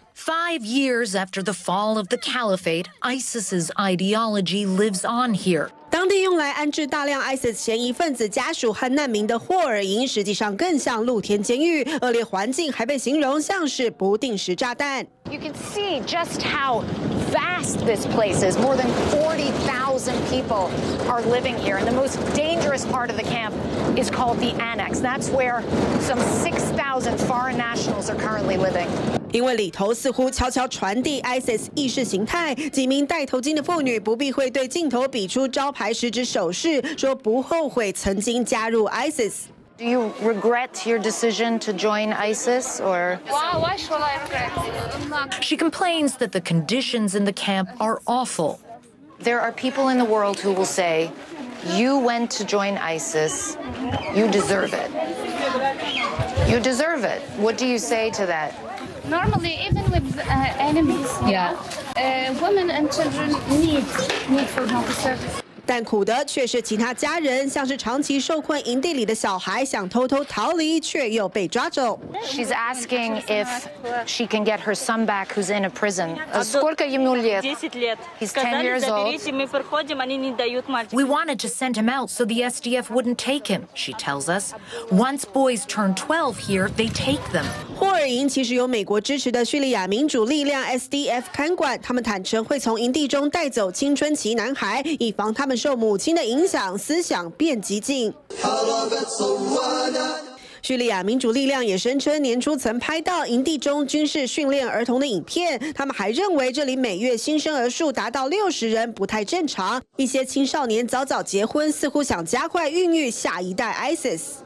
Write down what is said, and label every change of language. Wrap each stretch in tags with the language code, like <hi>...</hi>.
<en>5 years after the fall of the caliphate, ISIS's ideology lives on here.</en> <zh>当地用来安置大量 ISIS 嫌疑分子家属和难民的霍尔营，实际上更像露天监狱，恶劣环境还被形容像是不定时炸弹。</zh> <en>You can see just how vast this place is. More than 40,000 people are living here. And the most dangerous part of the camp is called the annex. That's where some 6,000 foreign nationals are currently living.</en> <zh>因为里头似乎悄悄传递 ISIS 意识形态，几名带头巾的妇女不避讳对镜头比出招牌食指手势，说不后悔曾经加入 ISIS。</zh> <en>Do you regret your decision to join ISIS, or why should I regret? She complains that the conditions in the camp are awful. There are people in the world who will say, "You went to join ISIS. You deserve it. You deserve it." What do you say to that? Normally, even with enemies, women and children need for help service.</en> <zh>但苦的却是其他家人，像是长期受困营地里的小孩，想偷偷逃离却又被抓走。</zh> <en>She's asking if she can get her son back, who's in a prison.</en> <ru>Сколько ему лет? 10 лет.</ru> <en>He's 10 years old.</en> <ru>Мы проходим, они не дают мальчику.</ru> <en>We wanted to send him out so the SDF wouldn't take him. She tells us, once boys turn 12 here, they take them.</en> <zh>霍尔营其实由美国支持的叙利亚民主力量 SDF 看管，他们坦诚会从营地中带走青春期男孩，以防。他们受母亲的影响，思想变激进。叙利亚民主力量也声称年初曾拍到营地中军事训练儿童的影片，他们还认为这里每月新生儿数达到60人不太正常，一些青少年早早结婚，似乎想加快孕育下一代 ISIS。</zh>